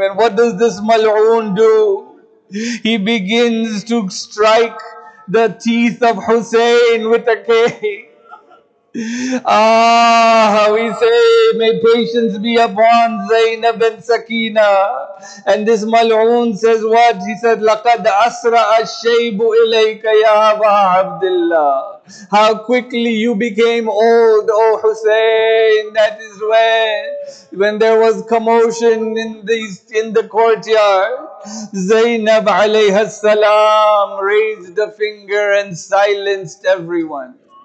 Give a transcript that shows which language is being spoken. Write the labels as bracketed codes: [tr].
[en] And what does this mal'oon do? He begins to strike the teeth of Hussein with a cane. Ah, we say, may patience be upon Zainab and Sakina. And this mal'oon says what? He said, [ar] لَقَدْ أَسْرَعَ الشَّيْبُ إِلَيْكَ يَا أَبَا عَبْدِ اللَّهِ. [en] How quickly you became old, O Hussein. That is when there was commotion in the courtyard. Zainab alayhi salam raised a finger and silenced everyone.